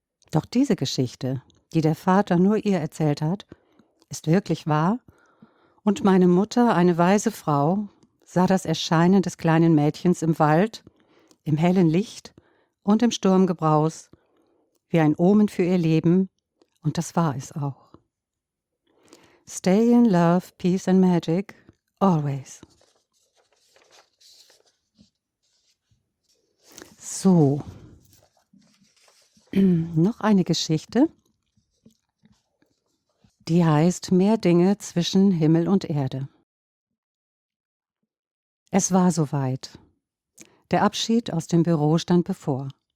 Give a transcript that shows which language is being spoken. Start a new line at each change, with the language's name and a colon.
German: Doch diese Geschichte, die der Vater nur ihr erzählt hat, ist wirklich wahr, und meine Mutter, eine weise Frau, sah das Erscheinen des kleinen Mädchens im Wald, im hellen Licht und im Sturmgebraus, wie ein Omen für ihr Leben, und das war es auch.
English: Stay in love, peace and magic, always.
German: So, noch eine Geschichte, die heißt Mehr Dinge zwischen Himmel und Erde. Es war soweit. Der Abschied aus dem Büro stand bevor.